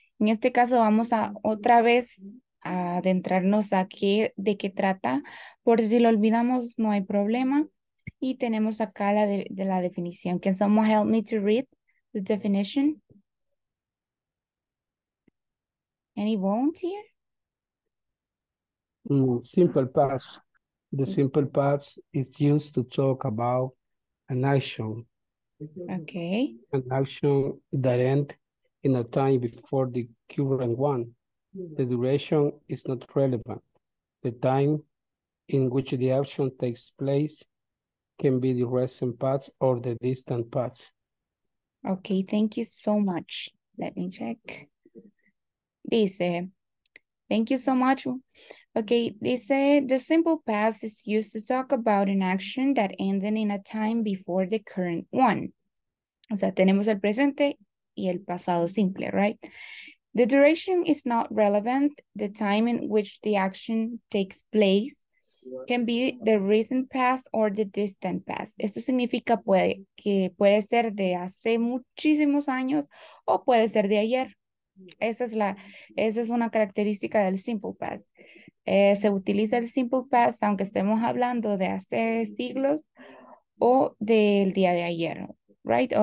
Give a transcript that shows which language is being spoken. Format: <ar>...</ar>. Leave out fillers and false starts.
<es>En este caso vamos a otra vez a adentrarnos a qué, de qué trata. Por si lo olvidamos, no hay problema. Y tenemos acá la de la definición.</es> <en>Can someone help me to read the definition? Any volunteer? Simple past. The simple past is used to talk about an action. Okay. An action that ends in a time before the current one. The duration is not relevant. The time in which the action takes place can be the recent past or the distant past. Okay, thank you so much. Let me check. Dice, thank you so much. Okay, dice, the simple past is used to talk about an action that ended in a time before the current one.</en> <es>O sea, tenemos el presente y el pasado simple, right?</es> <en>The duration is not relevant. The time in which the action takes place can be the recent past or the distant past.</en> <es>Esto significa que puede ser de hace muchísimos años o puede ser de ayer. Esa es una característica del simple past. Se utiliza el simple past aunque estemos hablando de hace siglos o del día de ayer, right?</es>